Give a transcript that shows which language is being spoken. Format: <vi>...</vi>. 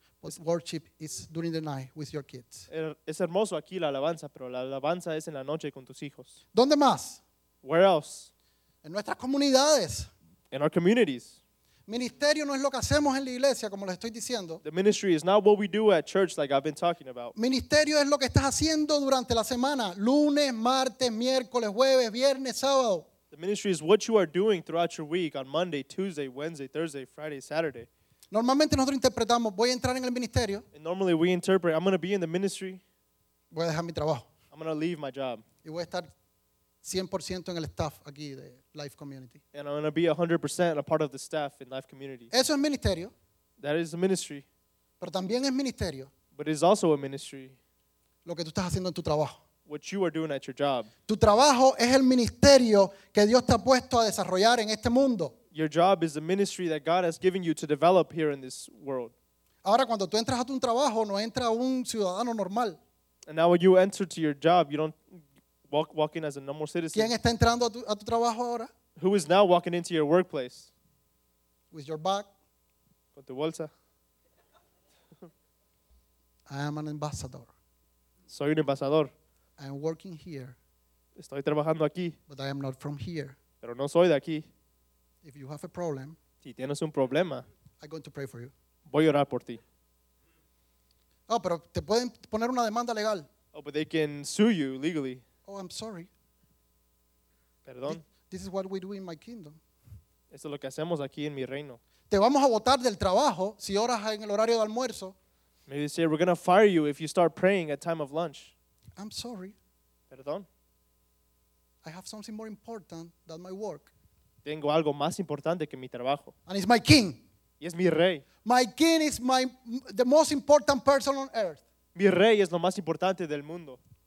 <en>But worship is during the night with your kids.</en> <es>Es hermoso aquí la alabanza, pero la alabanza es en la noche con tus hijos. ¿Dónde más?</es> <en>Where else?</en> <es>En nuestras comunidades.</es> <en>In our communities.</en> <es>Ministerio no es lo que hacemos en la iglesia, como les estoy diciendo.</es> <en>The ministry is not what we do at church, like I've been talking about.</en> <es>Ministerio es lo que estás haciendo durante la semana, lunes, martes, miércoles, jueves, viernes, sábado.</es> <en>The ministry is what you are doing throughout your week on Monday, Tuesday, Wednesday, Thursday, Friday, Saturday.</en> <es>Normalmente nosotros interpretamos, voy a entrar en el ministerio.</es> <en>And normally we interpret, I'm going to be in the ministry.</en> <es>Voy a dejar mi trabajo.</es> <en>I'm going to leave my job.</en> <es>Y voy a estar 100% en el staff aquí de Life Community.</es> <en>And I'm going to be 100% a part of the staff in Life Community.</en> <es>Eso es ministerio.</es> <en>That is a ministry.</en> <es>Pero también es ministerio.</es> <en>But it's also a ministry.</en> <es>Lo que tú estás haciendo en tu trabajo.</es> <en>What you are doing at your job.</en> <es>Tu trabajo es el ministerio que Dios te ha puesto a desarrollar en este mundo.</es> <en>Your job is the ministry that God has given you to develop here in this world.</en> <es>Ahora, cuando tú entras a tu trabajo, no entra un ciudadano normal.</es> <en>And now when you enter to your job, you don't walk in as a normal citizen.</en> <es>¿Quién está entrando a tu trabajo ahora?</es> <en>Who is now walking into your workplace? With your bag.</en> <es>Con tu bolsa.</es> <en>I am an ambassador.</en> <es>Soy un embajador.</es> <en>I am working here.</en> <es>Estoy trabajando aquí.</es> <en>But I am not from here.</en> <es>Pero no soy de aquí.</es> <en>If you have a problem,</en> <es>Si tienes un problema,</es> <en>I'm going to pray for you.</en> <es>Voy a orar por ti. Oh, pero te pueden poner una demanda legal.</es> <en>Oh, but they can sue you legally. Oh, I'm sorry.</en> <es>Perdón.</es> <en>This is what we do in my kingdom.</en> <es>Esto es lo que hacemos aquí en mi reino. Te vamos a botar del trabajo si oras en el horario de almuerzo.</es> <en>Maybe they say, we're going to fire you if you start praying at time of lunch. I'm sorry.</en> <es>Perdón.</es> <en>I have something more important than my work.</en> <es>Tengo algo más importante que mi trabajo.</es> <en>And it's my king.</en> <es>Y es mi rey.</es> <en>My king is the most important person on earth.</en> <es>Mi rey es lo más importante del mundo.</es>